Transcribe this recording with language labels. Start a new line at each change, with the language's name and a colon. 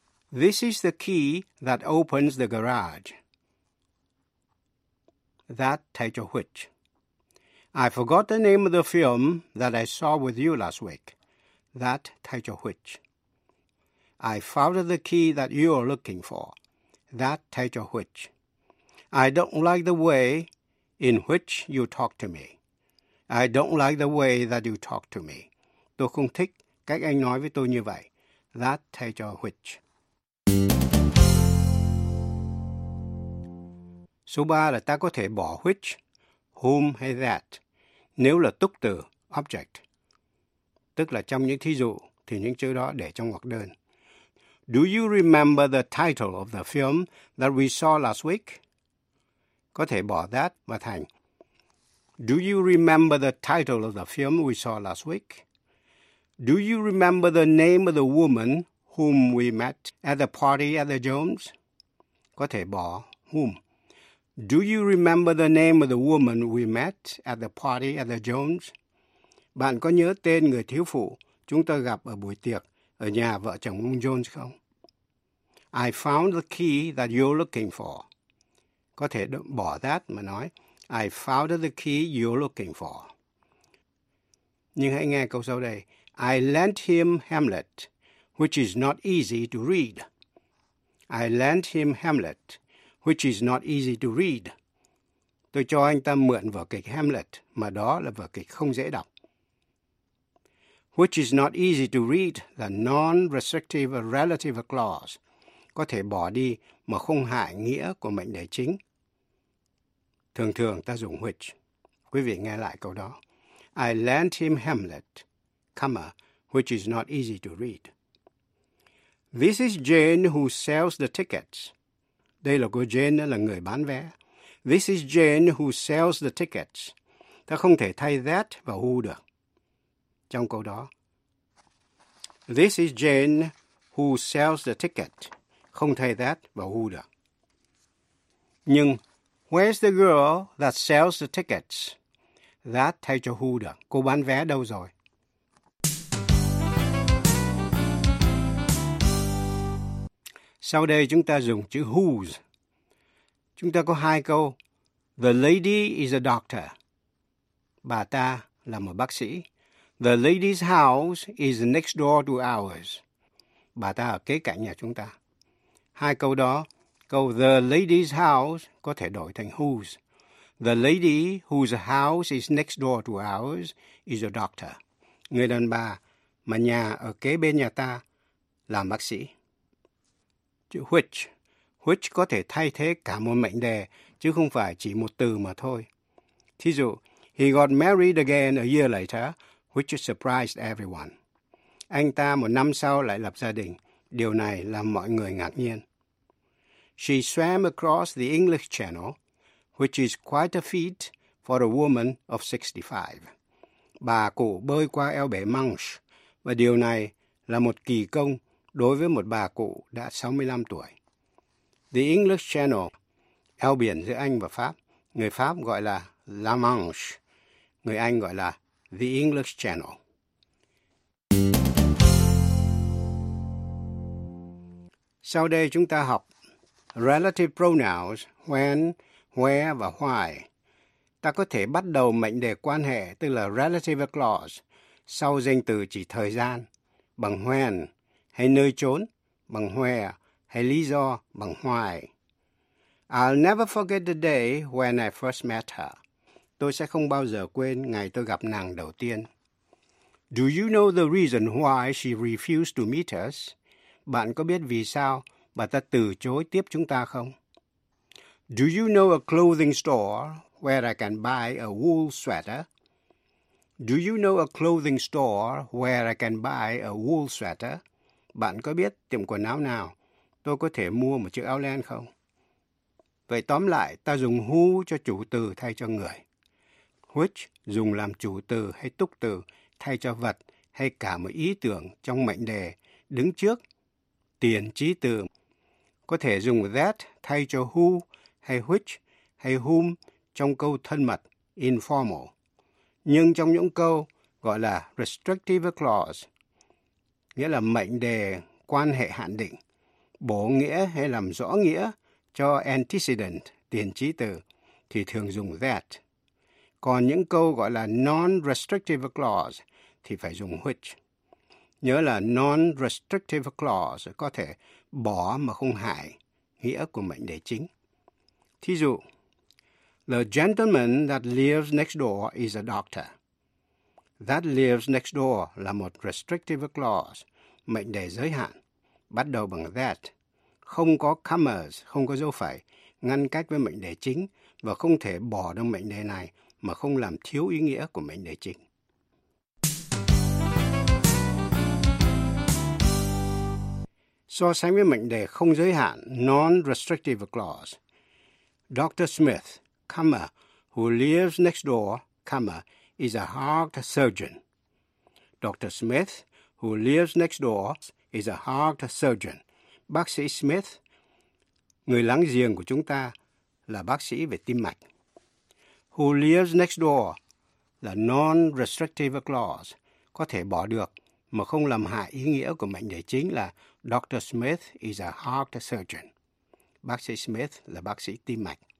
English: This is the key that opens the garage. That
Vietnamese: thay cho
English: which. I forgot the name of the film that I saw with you last week. That
Vietnamese: thay cho
English: which. I found the key that you are looking for. That
Vietnamese: thay cho
English: which. I don't like the way in which you talk to me. I don't like the way that you talk to me.
Vietnamese: Tôi không thích cách anh nói với tôi như vậy. That thay cho which. Số 3 là ta có thể bỏ which, whom hay that nếu là túc từ, object. Tức là trong những thí dụ thì những chữ đó để trong ngoặc đơn.
English: Do you remember the title of the film that we saw last week?
Vietnamese: Có thể bỏ
English: that
Vietnamese: mà thành.
English: Do you remember the title of the film we saw last week? Do you remember the name of the woman whom we met at the party at the Jones?
Vietnamese: Có thể bỏ
English: whom. Do you remember the name of the woman we met at the party at the Jones?
Vietnamese: Bạn có nhớ tên người thiếu phụ chúng ta gặp ở buổi tiệc ở nhà vợ chồng ông Jones không?
English: I found the key that you're looking for.
Vietnamese: Có thể bỏ
English: that
Vietnamese: mà nói,
English: I found the key you're looking for.
Vietnamese: Nhưng hãy nghe câu sau đây.
English: I lent him Hamlet, which is not easy to read. I lent him Hamlet, which is not easy to read.
Vietnamese: Tôi cho anh ta mượn vở kịch Hamlet, mà đó là vở kịch không dễ đọc.
English: Which is not easy to read, the non-restrictive relative clause.
Vietnamese: Có thể bỏ đi mà không hại nghĩa của mệnh đề chính. Thường thường ta dùng which. Quý vị nghe lại câu đó.
English: I lent him Hamlet, comma, which is not easy to read. This is Jane who sells the tickets.
Vietnamese: Đây là cô Jane, là người bán vé.
English: This is Jane who sells the tickets.
Vietnamese: Ta không thể thay that và who được. Trong câu đó,
English: this is Jane who sells the ticket.
Vietnamese: Không thay that và who được. Nhưng,
English: where's the girl that sells the tickets?
Vietnamese: That thay cho who được. Cô bán vé đâu rồi? Sau đây chúng ta dùng chữ whose. Chúng ta có hai câu.
English: The lady is a doctor.
Vietnamese: Bà ta là một bác sĩ.
English: The lady's house is next door to ours.
Vietnamese: Bà ta ở kế cạnh nhà chúng ta. Hai câu đó Câu
English: the lady's house
Vietnamese: có thể đổi thành
English: whose. The lady whose house is next door to ours is a doctor.
Vietnamese: Người đàn bà mà nhà ở kế bên nhà ta là bác sĩ. Chữ which. Which có thể thay thế cả một mệnh đề, chứ không phải chỉ một từ mà thôi. Thí dụ,
English: he got married again a year later, which surprised everyone.
Vietnamese: Anh ta một năm sau lại lập gia đình. Điều này làm mọi người ngạc nhiên.
English: She swam across the English Channel, which is quite a feat for a woman of 65.
Vietnamese: Bà cụ bơi qua eo bể Manche, và điều này là một kỳ công đối với một bà cụ đã 65 tuổi. The English Channel, eo biển giữa Anh và Pháp, người Pháp gọi là La Manche, người Anh gọi là The English Channel. Sau đây chúng ta học relative pronouns when, where và why. Ta có thể bắt đầu mệnh đề quan hệ, tức là relative clause, sau danh từ chỉ thời gian, bằng when hay nơi chốn, bằng where hay lý do, bằng why.
English: I'll never forget the day when I first met her.
Vietnamese: Tôi sẽ không bao giờ quên ngày tôi gặp nàng đầu tiên.
English: Do you know the reason why she refused to meet us?
Vietnamese: Bạn có biết vì sao bà ta từ chối tiếp chúng ta không?
English: Do you know a clothing store where I can buy a wool sweater? Do you know a clothing store where I can buy a wool sweater?
Vietnamese: Bạn có biết tiệm quần áo nào tôi có thể mua một chiếc áo len không? Vậy tóm lại, ta dùng who cho chủ từ thay cho người. Which dùng làm chủ từ hay túc từ thay cho vật hay cả một ý tưởng trong mệnh đề đứng trước tiền trí từ. Có thể dùng that thay cho who hay which hay whom trong câu thân mật, informal. Nhưng trong những câu gọi là restrictive clause, nghĩa là mệnh đề quan hệ hạn định, bổ nghĩa hay làm rõ nghĩa cho antecedent, tiền trí từ, thì thường dùng that. Còn những câu gọi là non-restrictive clause thì phải dùng which. Nhớ là non-restrictive clause có thể bỏ mà không hại nghĩa của mệnh đề chính. Thí dụ,
English: the gentleman that lives next door is a doctor.
Vietnamese: That lives next door là một restrictive clause, mệnh đề giới hạn, bắt đầu bằng that. Không có commas, không có dấu phẩy, ngăn cách với mệnh đề chính và không thể bỏ được mệnh đề này mà không làm thiếu ý nghĩa của mệnh đề chính. So sánh với mệnh đề không giới hạn, non-restrictive clause, Dr.
English: Smith, comma, who lives next door, comma, is a heart surgeon. Dr. Smith, who lives next door, is a heart surgeon.
Vietnamese: Bác sĩ Smith, người láng giềng của chúng ta, là bác sĩ về tim mạch. Who lives next door là non-restrictive clause, có thể bỏ được mà không làm hại ý nghĩa của mệnh đề chính là Dr.
English: Smith is a heart surgeon.
Vietnamese: Bác sĩ Smith là bác sĩ tim mạch.